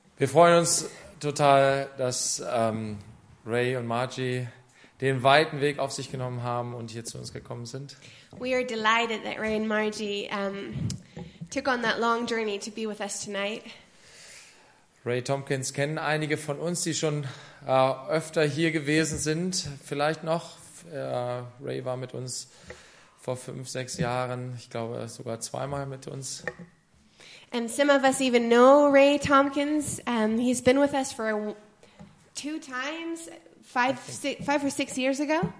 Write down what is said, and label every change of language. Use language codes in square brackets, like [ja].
[de] Wir freuen uns total, dass Ray und Margie den weiten Weg auf sich genommen haben und hier zu uns gekommen sind. [en] We are delighted that Ray and Margie took on that long journey to be with us tonight. [de] Ray Tompkins kennen einige von uns, die schon öfter hier gewesen sind, vielleicht noch. Ray war mit uns vor 5-6 Jahren, ich glaube sogar zweimal mit uns. [en] And some of us even know Ray Tompkins. He's been with us for two times, five or six years ago.